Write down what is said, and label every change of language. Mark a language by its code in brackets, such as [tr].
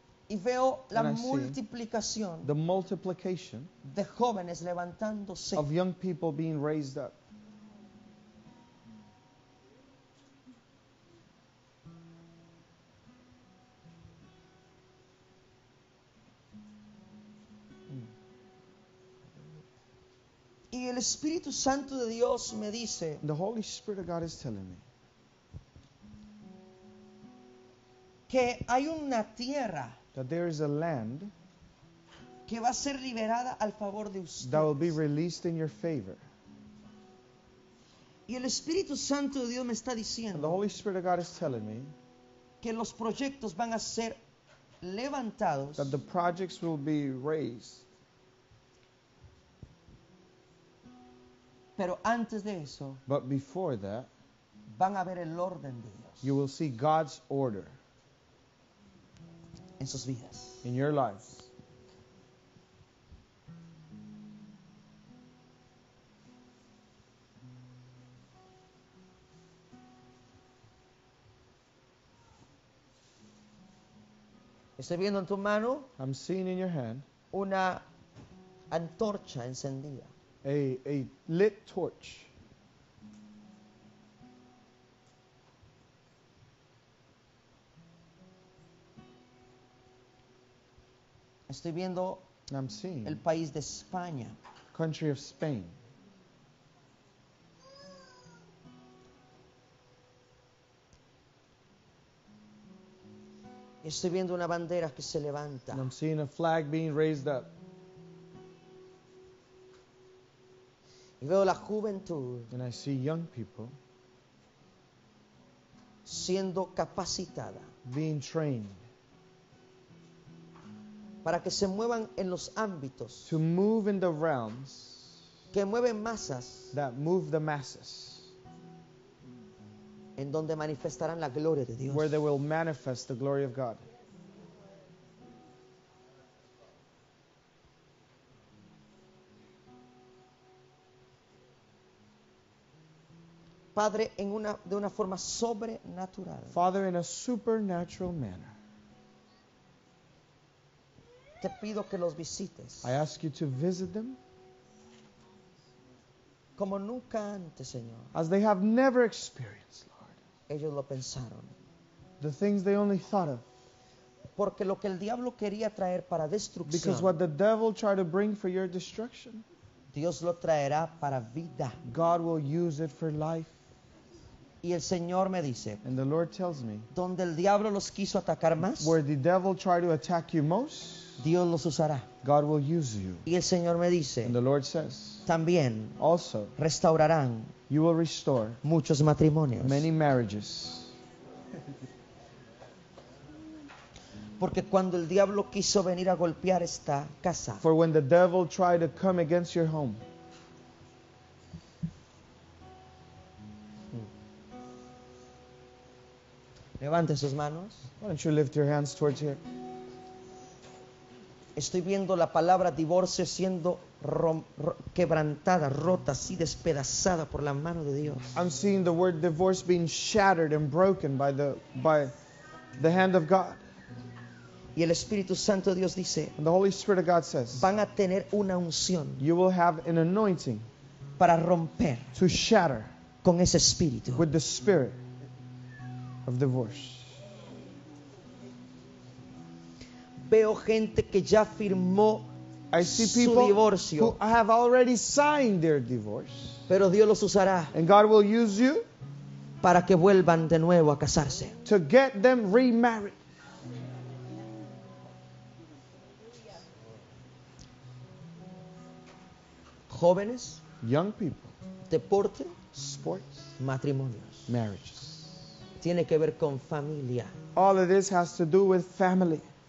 [es] Y veo la multiplicación. [en] The multiplication [es] de jóvenes levantándose. [en] Of young people being raised up. [es] Y el Espíritu Santo de Dios me dice, [en] the Holy Spirit of God is telling me, [es] que hay una tierra, [en] that there is a land, [es] que va a ser liberada al favor de ustedes, [en] that will be released in your favor. [es] Y el Espíritu Santo de Dios me está diciendo, [en] and the Holy Spirit of God is telling me, [es] que los proyectos van a ser levantados, [en] that the projects will be raised. [es] Pero antes de eso, [en] but before that, [es] van a ver el orden de Dios. [en] You will see God's order [es] en sus vidas. [en] In your lives. [es] Estoy viendo en tu mano, [en] I'm seeing in your hand, [es] una antorcha encendida. [en] A lit torch. [es] Estoy viendo [en] I'm seeing [es] el país de España. [en] Country of Spain. [es] Estoy viendo una bandera que se levanta. [en] And I'm seeing a flag being raised up. [es] Y veo la juventud [en] and I see young people [es] siendo capacitada [en] being trained [es] para que se muevan en los ámbitos [en] to move in the realms [es] que mueven masas [en] that move the masses [es] en donde manifestarán la gloria de Dios [en] where they will manifest the glory of God. [es] Padre, en una de una forma sobrenatural. [en] Father, in a supernatural manner. [es] Te pido que los visites. [en] I ask you to visit them. [es] Como nunca antes, Señor. [en] As they have never experienced, Lord. [es] Ellos lo pensaron. [en] The things they only thought of. [es] Porque lo que el diablo quería traer para destrucción. [en] Because what the devil tried to bring for your destruction. [es] Dios lo traerá para vida. [en] God will use it for life. [es] Y el Señor me dice, [en] and the Lord tells me, [es] donde el diablo los quiso atacar más, [en] where the devil tried to attack you most, [es] Dios los usará. [en] God will use you. [es] Y el Señor me dice, [en] and the Lord says, [es] también [en] also, [es] restaurarán [en] you will restore [es] muchos matrimonios. [en] Many marriages. [es] Porque cuando el diablo quiso venir a golpear esta casa. [en] For when the devil tried to come against your home. [es] Levante sus manos. [en] Why don't you lift your hands towards here? [es] Estoy viendo la palabra divorcio siendo quebrantada, rota, así despedazada por la mano de Dios. [en] I'm seeing the word divorce being shattered and broken by the hand of God. [es] Y el Espíritu Santo Dios dice, [en] and the Holy Spirit of God says, [es] van a tener una unción, [en] you will have an anointing, [es] para romper, [en] to shatter, [es] con ese espíritu, [en] with the spirit of divorce. [es] Veo gente que ya firmó su divorcio, [en] who have already signed their divorce, [es] pero Dios los usará, [en] and God will use you, [es] para que vuelvan de nuevo a casarse, [en] to get them remarried. [es] Jóvenes, [en] young people, [es] deporte, [en] sports, [es] matrimonios, [en] marriages, [es] tiene que ver con familia. [en] All of this has to do with family.